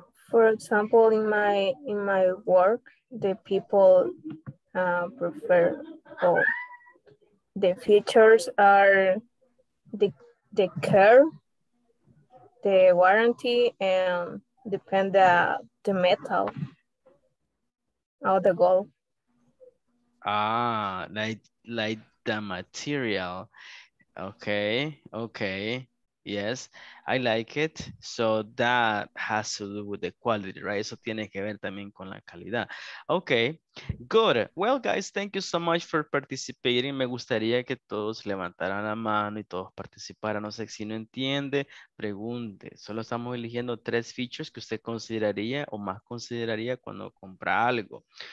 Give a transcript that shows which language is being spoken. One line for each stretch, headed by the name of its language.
English: For example, in my work, the people prefer, the features are the care, the warranty, and depend the metal or the gold. Ah, like the material. Okay. Yes, I like it. So that has to do with the quality, right?
Spanish: Eso tiene que ver también con la calidad.
English: Okay, good. Well, guys, thank you so much for participating.
Spanish: Me gustaría que todos levantaran la mano y todos participaran. No sé si no entiende, pregunte. Solo estamos eligiendo tres features que usted consideraría o más consideraría cuando compra algo.